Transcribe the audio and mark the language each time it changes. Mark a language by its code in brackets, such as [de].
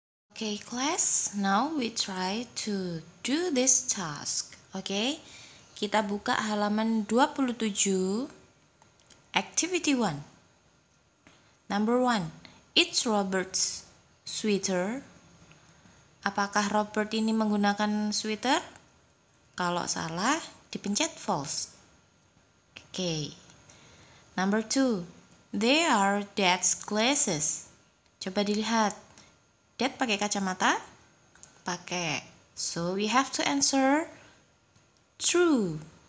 [en] Okay, class, now we try to do this task. [id] Okay, kita buka halaman 27, activity 1. [en] Number 1, is Robert's sweater? [id] Apakah Robert ini menggunakan sweater? Kalau salah, dipencet false. [en] Okay, number 2, they are Dad's glasses. [id] Coba dilihat, Dad pakai kacamata? Pakai. [en] So we have to answer true.